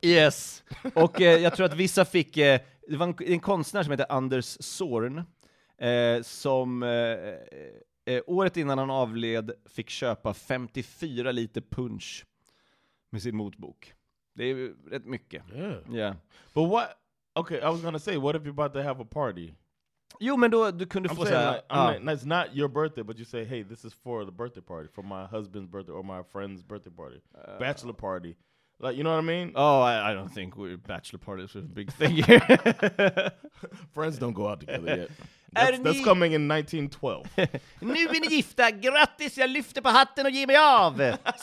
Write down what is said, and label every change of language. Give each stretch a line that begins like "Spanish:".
English: Yes.
Swedish: Och jag tror att vissa fick... det var en konstnär som heter Anders Zorn som året innan han avled fick köpa 54 liter punch med sin motbok. Det är rätt mycket.
English: Yeah. But what... Okay, I was gonna say, what if you're about to have a party?
Swedish: Jo, men då du kunde få säga...
English: Like, it's not your birthday, but you say, hey, this is for the birthday party, for my husband's birthday or my friend's birthday party. Bachelor party. Like, you know what I mean? Oh, I don't think bachelor party is a big thing here. Friends don't go out together yet. That's coming in 1912.
Swedish: Nu är ni gifta. Grattis, jag lyfter på hatten och ger mig av.